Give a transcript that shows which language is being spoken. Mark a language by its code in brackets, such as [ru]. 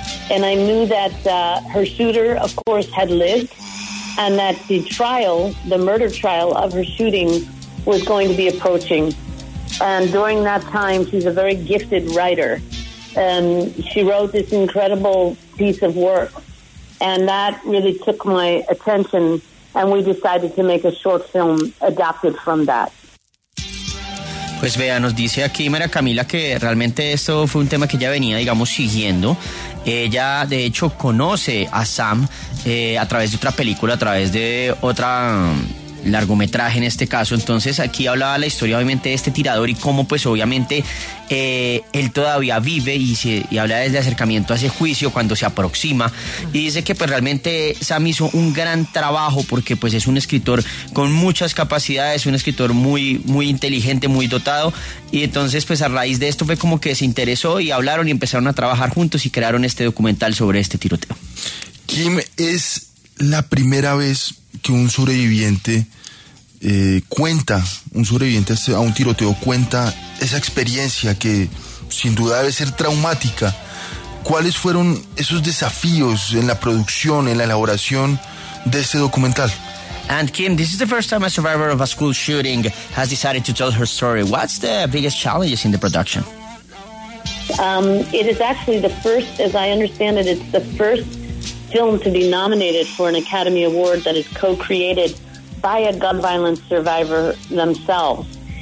[en] And I knew that her shooter, of course, had lived, and that the trial, the murder trial of her shooting, was going to be approaching. And during that time, she's a very gifted writer. And she wrote this incredible piece of work. And that really took my attention. And we decided to make a short film adapted from that. [es] Pues vea, nos dice aquí Mara Camila que realmente esto fue un tema que ella venía, digamos, siguiendo. Ella, de hecho, conoce a Sam a través de otra película, a través de otra largometraje en este caso. Entonces aquí hablaba la historia obviamente de este tirador y cómo pues obviamente él todavía vive y habla desde acercamiento a ese juicio cuando se aproxima, y dice que pues realmente Sam hizo un gran trabajo porque pues es un escritor con muchas capacidades, un escritor muy muy inteligente, muy dotado, y entonces pues a raíz de esto fue como que se interesó y hablaron y empezaron a trabajar juntos y crearon este documental sobre este tiroteo. Kim, es la primera vez que un sobreviviente a un tiroteo cuenta esa experiencia que sin duda debe ser traumática. ¿Cuáles fueron esos desafíos en la producción, en la elaboración de este documental? [en] And Kim, this is the first time a survivor of a school shooting has decided to tell her story. What's the biggest challenges in the production? It is actually the first, as I understand it, it's the first film to be nominated for an Academy Award that is co-created by a gun violence survivor themselves.